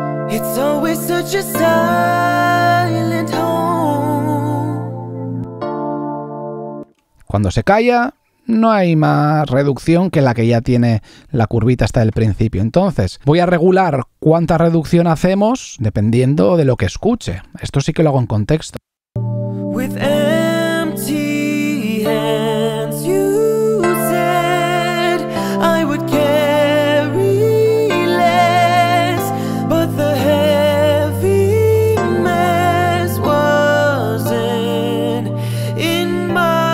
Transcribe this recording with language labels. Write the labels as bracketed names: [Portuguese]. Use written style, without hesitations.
[English] It's always such a silent home. [Spanish] Cuando se calla, no hay más reducción que la que ya tiene la curvita hasta el principio. Entonces, voy a regular cuánta reducción hacemos dependiendo de lo que escuche. Esto sí que lo hago en contexto. [English] With empty hands, you said I would carry less, but the heavy mess wasn't in my...